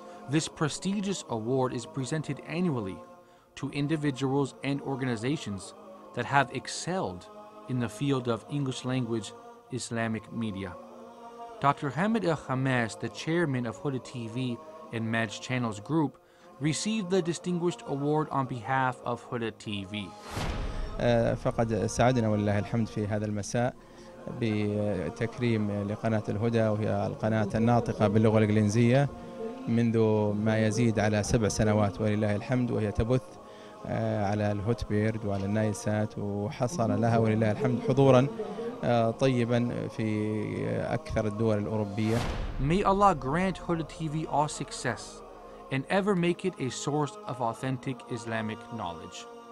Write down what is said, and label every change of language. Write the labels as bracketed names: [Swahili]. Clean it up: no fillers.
[English] This prestigious award is presented annually to individuals and organizations that have excelled in the field of English language Islamic media. Dr. Hamid El-Khamas, the chairman of Huda TV and Maj Channels Group, received the distinguished award on behalf of Huda TV. [Arabic] فقد سعدنا ولله الحمد في هذا المساء بتكريم لقناة الهدى وهي القناة الناطقة باللغة الإنجليزية منذ ما يزيد على 7 سنوات ولله الحمد وهي تبث على الهوت بيرد وعلى النايسات وحصل لها ولله الحمد حضورا طيبا في أكثر الدول الأوروبية. [English] May Allah grant Huda TV all success and ever make it a source of authentic Islamic knowledge.